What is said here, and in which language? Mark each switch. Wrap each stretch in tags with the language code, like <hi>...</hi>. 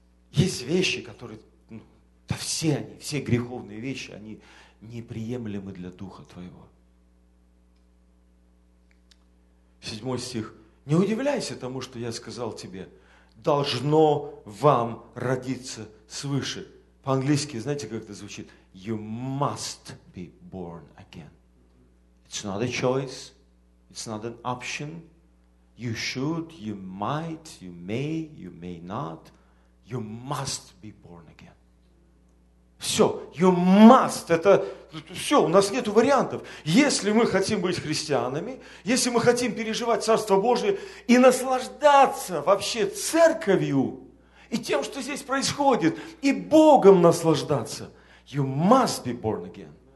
<ru>Есть вещи, которые, ну, да все они, все греховные вещи, они неприемлемы для духа твоего. 7 стих. Не удивляйся тому, что я сказал тебе. Должно вам родиться свыше. По-английски, знаете, как это звучит?</ru> <en>You must be born again. It's not a choice, it's not an option. You should, you might, you may not. You must be born again.</en> <ru>Все,</ru> <en>you must,</en> <ru>это все, у нас нет вариантов. Если мы хотим быть христианами, если мы хотим переживать Царство Божие и наслаждаться вообще церковью, и тем, что здесь происходит, и Богом наслаждаться,</ru> <en>you must be born again.</en>